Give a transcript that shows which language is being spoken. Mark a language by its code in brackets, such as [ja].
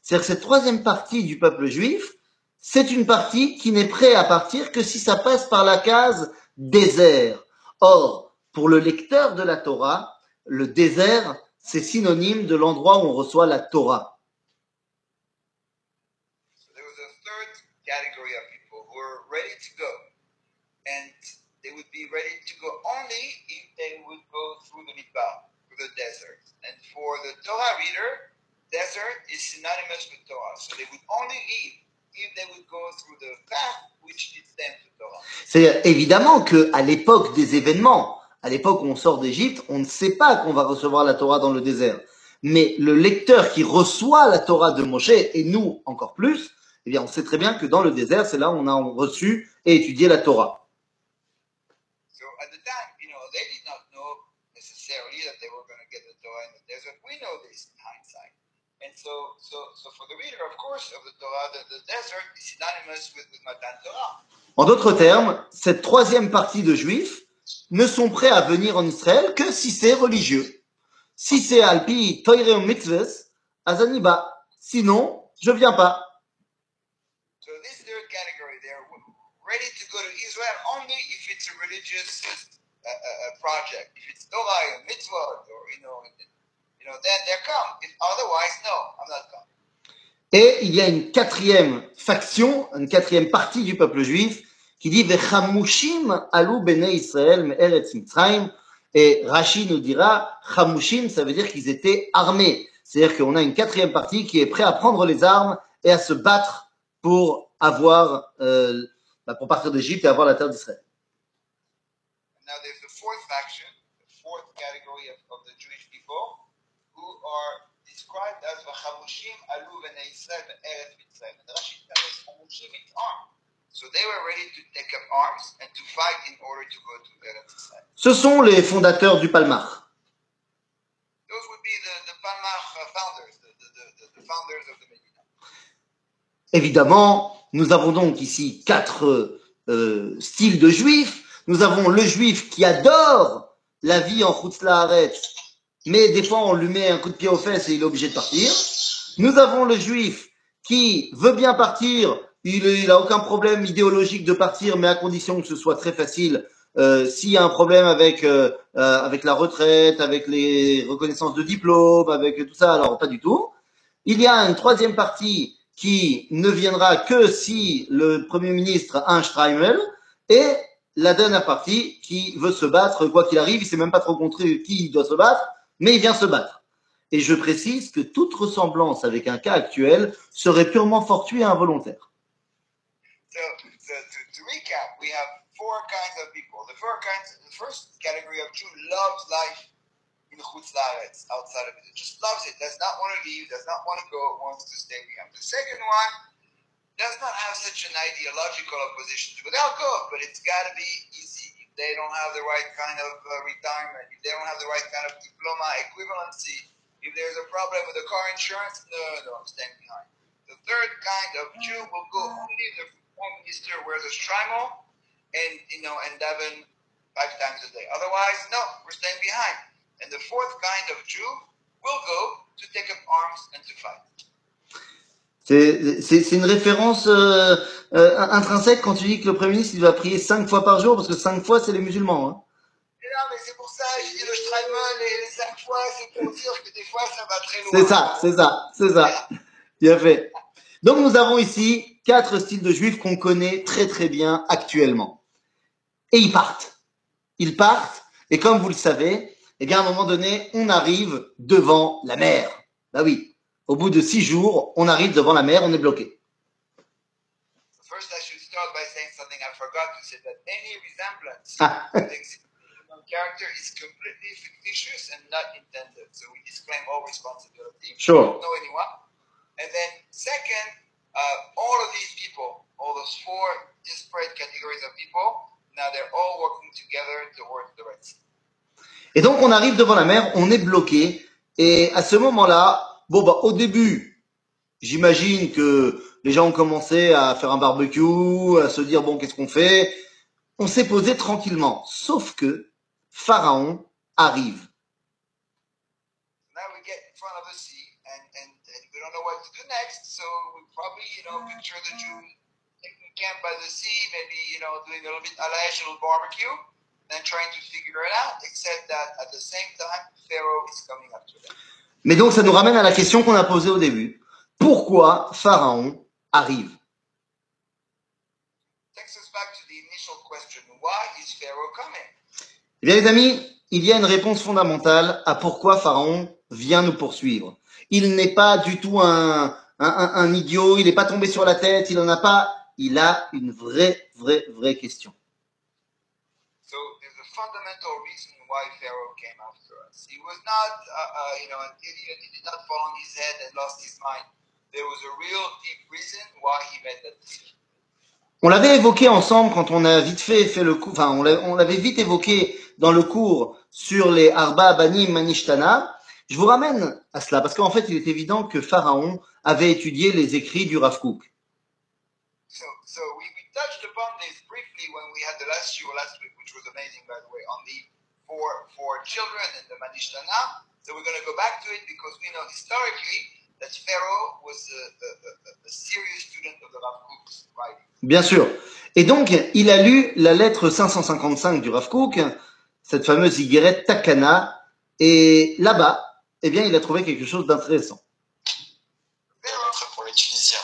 [fr] C'est-à-dire que cette troisième partie du peuple juif, c'est une partie qui n'est prête à partir que si ça passe par la case « désert ». Or, pour le lecteur de la Torah, le désert, c'est synonyme de l'endroit où on reçoit la Torah. [en] So there was a third category of people who were ready to go. And they would be ready to go only if they would go through the Midbar, through the desert. And for the Torah reader, desert is synonymous with Torah. So they would only leave if they would go through the path which leads them to Torah. [fr] C'est-à-dire, évidemment qu'à l'époque des événements, à l'époque où on sort d'Égypte, on ne sait pas qu'on va recevoir la Torah dans le désert. Mais le lecteur qui reçoit la Torah de Moshe, et nous encore plus, eh bien on sait très bien que dans le désert, c'est là où on a reçu et étudié la Torah. [en] So at the time, you know, they did not know necessarily that they were going to get the Torah in the desert. We know this in hindsight. And so for the reader, of course, of the Torah, the desert is synonymous with Matan Torah. [fr] En d'autres termes, cette troisième partie de Juifs ne sont prêts à venir en Israël que si c'est religieux. Si c'est alpi toire ou mitzvah, azaniba. Sinon, je viens pas. [en] So this third category, they're ready to go to Israel only if it's a religious project. If it's Torah or mitzvah, or you know, then they come. If otherwise, no, I'm not coming. [fr] Et il y a une quatrième faction, une quatrième partie du peuple juif qui dit « [he] V'chamushim alou b'nei Israël me'eretz Mitzrayim [fr] » et Rashi nous dira « Chamushim » ça veut dire qu'ils étaient armés. C'est-à-dire qu'on a une quatrième partie qui est prête à prendre les armes et à se battre pour avoir, pour partir d'Égypte et avoir la terre d'Israël. [en] Now there's the fourth faction, the fourth category of the Jewish people who are described as « [he] V'chamushim alou b'nei Israël me'eretz Mitzrayim » [fr] et Rashi nous dit « Chamushim » est armé. [en] So they were ready to take up arms and to fight in order to go to Eretz Israël. [fr] Ce sont les fondateurs du Palmach. [en] Those would be the Palmach founders, the founders of the Medina. [fr] Évidemment, nous avons donc ici quatre styles de juifs. Nous avons le juif qui adore la vie en Chutz La'aretz, mais des fois on lui met un coup de pied aux fesses et il est obligé de partir. Nous avons le juif qui veut bien partir. Il n'a aucun problème idéologique de partir, mais à condition que ce soit très facile. S'il y a un problème avec la retraite, avec les reconnaissances de diplôme, avec tout ça, alors pas du tout. Il y a une troisième partie qui ne viendra que si le Premier ministre a un Schreimel. Et la dernière partie qui veut se battre, quoi qu'il arrive, il ne sait même pas trop contre qui il doit se battre, mais il vient se battre. Et je précise que toute ressemblance avec un cas actuel serait purement fortuit et involontaire. [en] So to recap, we have four kinds of people. The first category of Jew loves life in Chutz La'aretz, outside of it. Just loves it, does not want to leave, does not want to go, wants to stay behind. The second one does not have such an ideological opposition to go. They'll go, but it's got to be easy. If they don't have the right kind of retirement, if they don't have the right kind of diploma equivalency, if there's a problem with the car insurance, no, I'm staying behind. The third kind of Jew will go only if the minister wears a shtreimel and, you know, and daven five times a day. Otherwise, no, we're staying behind. And the fourth kind of Jew will go to take up arms and to fight. [fr] C'est une référence intrinsèque quand tu dis que le Premier ministre il va prier cinq fois par jour, parce que cinq fois, c'est les musulmans. Hein. Non, mais c'est pour ça, j'ai dit le shtreimel et les cinq fois, c'est pour dire que des fois, ça va très loin. C'est ça. Bien fait. Donc, nous avons ici quatre styles de juifs qu'on connaît très très bien actuellement. Et ils partent. Ils partent, et comme vous le savez, eh bien à un moment donné, on arrive devant la mer. Bah oui, au bout de 6 jours, on arrive devant la mer, on est bloqué. [en] First, I should start by saying something I forgot to say that any resemblance to the existing character is completely fictitious and not intended. So we disclaim all responsibility. Sure. We don't know anyone. And then, second, All of these people, all those four disparate categories of people, now they're all working together towards the Red Sea. [fr] Et donc on arrive devant la mer, on est bloqué. Et à ce moment-là, bon bah au début, j'imagine que les gens ont commencé à faire un barbecue, à se dire bon qu'est-ce qu'on fait. On s'est posé tranquillement, sauf que Pharaon arrive. [en] Now we get in front of the sea and we don't know what to do next, so we probably, you know, picture the June camp by the sea, maybe, you know, doing a little bit of a barbecue. And trying to figure it out, except that at the same time, Pharaoh is coming after them. [fr] Mais donc, ça nous ramène à la question qu'on a posée au début. Pourquoi Pharaon arrive? [en] Takes us back to the initial question. Why is Pharaoh coming? [fr] Eh bien, les amis, il y a une réponse fondamentale à pourquoi Pharaon vient nous poursuivre. Il n'est pas du tout un idiot, il n'est pas tombé sur la tête, il n'en a pas. Il a une vraie question. [en] Fundamental reason why Pharaoh came after us. He was not, an idiot. He did not fall on his head and lost his mind. There was a real deep reason why he made that decision. [fr] On l'avait évoqué ensemble quand on a vite fait le cours. Enfin, on l'avait vite évoqué dans le cours sur les Arba Banim Manishtana. Je vous ramène à cela parce qu'en fait, il est évident que Pharaon avait étudié les écrits du Rav Kook. [en] So we touched upon this briefly when we had the last shiur last week. Which was amazing, by the way, on the four children and the Manishtana. So we're going to go back to it because we know historically that Pharaoh was a serious student of the Rav Kook's writings. [fr] Bien sûr. Et donc, il a lu la lettre 555 du Rav Kook, cette fameuse Yigeret Takana, et là-bas, eh bien, il a trouvé quelque chose d'intéressant. Lettre pour les Tunisiens.